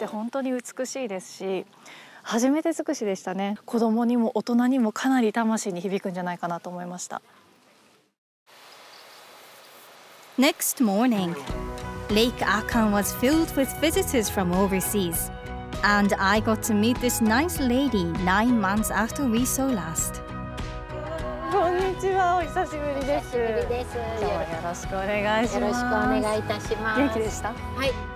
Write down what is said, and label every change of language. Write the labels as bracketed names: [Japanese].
[Japanese] すごく楽しかったです。まずアクティビティとして本当に美しいですし、 初めて尽くしでしたね。子供にも大人にもかなり魂に響くんじゃないかなと思いました。 [English] Next morning, Lake Akan was filled with visitors from overseas, and I got to meet this nice lady 9 months after we saw last. [Japanese] こんにちは、お久しぶりです。久しぶりです。今日はよろしくお願いします。よろしくお願いいたします。元気でした？はい。